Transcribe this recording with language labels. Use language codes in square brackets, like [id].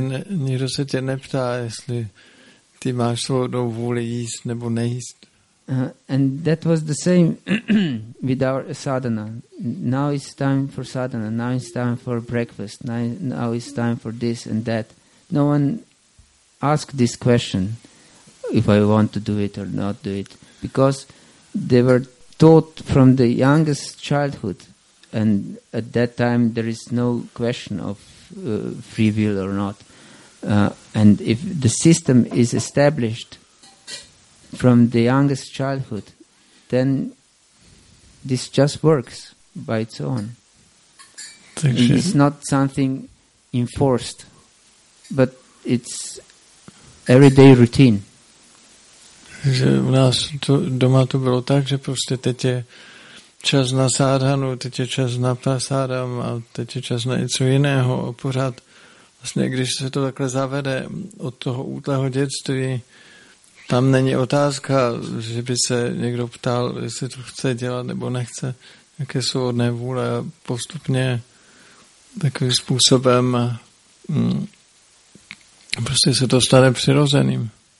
[cs] Nikdo se tě neptá, jestli ty máš svou vůli jíst nebo nejíst. [en] And that was the same with our sadhana. Now it's time for sadhana. Now it's time for breakfast. Now it's time for this and that. No one asked this question, if I want to do it or not do it, because they were taught from the youngest childhood, and at that time there is no question of free will or not. And if the system is established from the youngest childhood, then this just works by its own. It's not something enforced, but it's everyday routine. [cs] Takže u nás to, doma to bylo tak, že prostě teď je čas na sádhanu, teď je čas na prasádam a teď je čas na něco jiného. A pořád, vlastně když se to takhle zavede od toho útlého dětství, tam není otázka, že by se někdo ptal, jestli to chce dělat nebo nechce, jaké jsou svobodné vůle, postupně takovým způsobem prostě se to stane přirozeným.